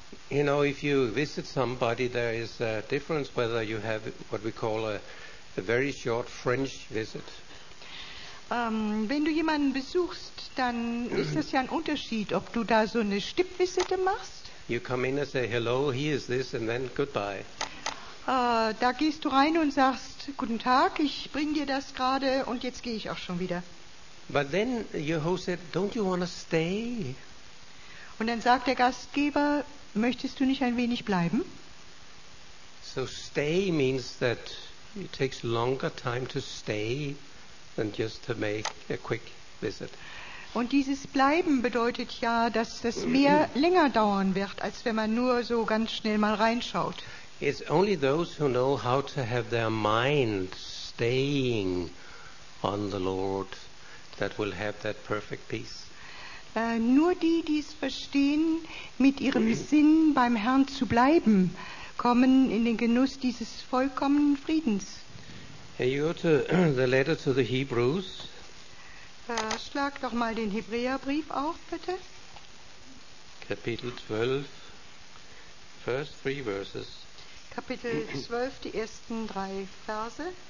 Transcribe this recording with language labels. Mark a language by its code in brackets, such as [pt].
[en] You know, if you visit somebody, there is a difference whether you have what we call a very short French visit. [de] Wenn du jemanden besuchst, dann ist das ja ein Unterschied, ob du da so eine Stippvisite machst. [en] You come in and say hello, here is this, and then goodbye. [de] Da gehst du rein und sagst, guten Tag, ich bring dir das gerade und jetzt gehe ich auch schon wieder. [en] But then your host said, don't you want to stay? [de] Und dann sagt der Gastgeber, möchtest du nicht ein wenig bleiben? [en] So stay means that it takes longer time to stay than just to make a quick visit. [de] Und dieses Bleiben bedeutet ja, dass das mehr länger dauern wird, als wenn man nur so ganz schnell mal reinschaut. [en] It's only those who know how to have their mind staying on the Lord that will have that perfect peace. [de] Nur die, die es verstehen, mit ihrem Sinn beim Herrn zu bleiben, kommen in den Genuss dieses vollkommenen Friedens. [en] Here you go to the letter to the Hebrews. [de] Schlag doch mal den Hebräerbrief auf, bitte. Kapitel 12, [en] first three verses. [de] Kapitel 12, die ersten drei Verse.